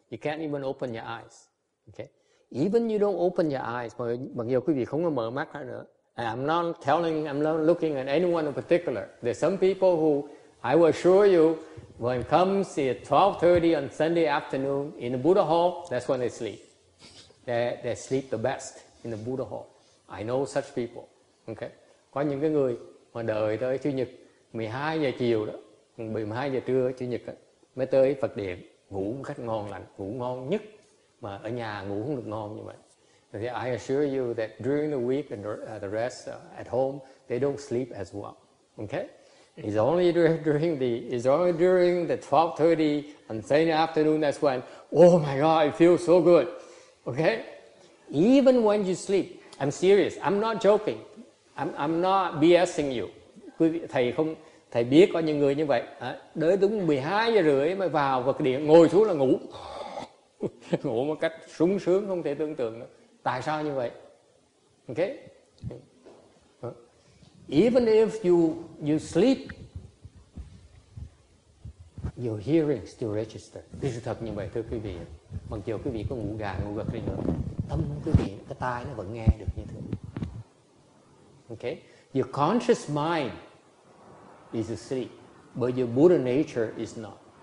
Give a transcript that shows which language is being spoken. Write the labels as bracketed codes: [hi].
[en] You can't even open your eyes. Okay. Even you don't open your eyes, [vi] bằng giờ quý vị không có mở mắt ra nữa. [en] And I'm not looking at anyone in particular. There's some people who, I will assure you, when comes at 12:30 on Sunday afternoon in the Buddha Hall, that's when they sleep. They sleep the best in the Buddha Hall. I know such people. Okay. [vi] Có những cái người mà đợi tới Chủ nhật 12 giờ chiều đó, 12 giờ trưa Chủ nhật đó, mới tới Phật Điện, ngủ một cách ngon lành, ngủ ngon nhất, mà ở nhà ngủ không được ngon như vậy. [en] Thì I assure you that during the week and the rest at home, they don't sleep as well. Okay? It's only during the 12:30 on Sunday afternoon that's when, oh my God, I feel so good. Okay? Even when you sleep, I'm serious, I'm not joking. I'm not BSing you. [vi] Quý vị, thầy biết có những người như vậy. Đến đúng 12 giờ rưỡi mới vào Phật Điện, ngồi xuống là ngủ. Ngủ một cách sung sướng không thể tưởng tượng nữa. Tại sao như vậy? Okay? [en] Even if you sleep, your hearing still registers. [vi] Thì sự thật như vậy thưa quý vị. Mặc dù quý vị có ngủ gà, ngủ gật đi nữa, tâm quý vị, cái tai nó vẫn nghe được như thế. [en] Okay, your conscious mind is asleep, but your Buddha nature is not.